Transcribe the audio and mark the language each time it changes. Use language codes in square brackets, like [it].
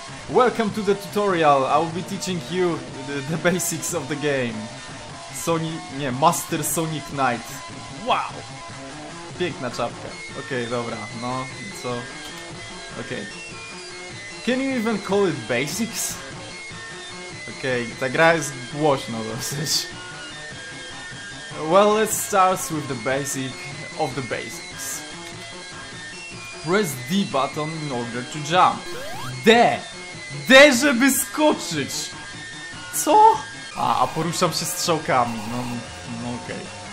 [en] Welcome to the tutorial, I will be teaching you the basics of the game. [pl] Master Sonic Knight. Wow! Piękna czapka. Okej, dobra, no, co? Okej. [en] Can you even call it basics? [pl] Okej, ta gra jest głośna dosyć. [en] Well, let's start with the basic of the basics. Press D button in order to jump. [pl] D! D, żeby skoczyć! Co? A poruszam się strzałkami, no okej.